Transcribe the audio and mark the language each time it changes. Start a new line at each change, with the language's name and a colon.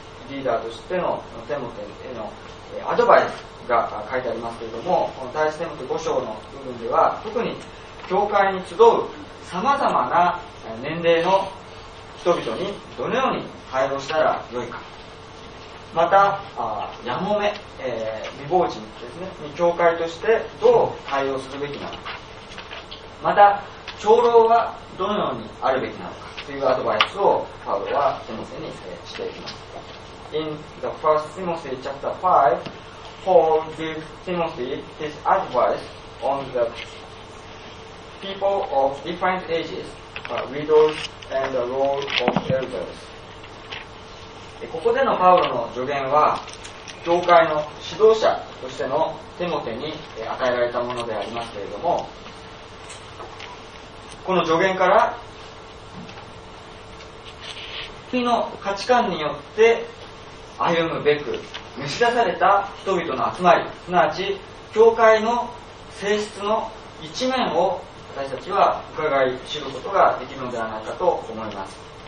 Japanese: リーダーとしてのテモテへのアドバイスが書いてありますけれども、この第一テモテ5章の部分では特に教会に集うさまざまな年齢の人々にどのように対応したらよいか、またやもめ、未亡人ですね、に教会としてどう対応するべきなのか、また長老はどのようにあるべきなのかというアドバイスをパウロはテモテにしていきます。
English: In the first Timothy chapter 5, Paul gives Timothy his advice on the people of different agesWidows and the role of elders.
Japanese: ここでのパウロの助言は教会の指導者としてのテモテに与えられたものでありますけれども、この助言から国の価値観によって歩むべく召し出された人々の集まり、すなわち教会の性質の一面を私たちは伺い知ることができるのではないかと思います。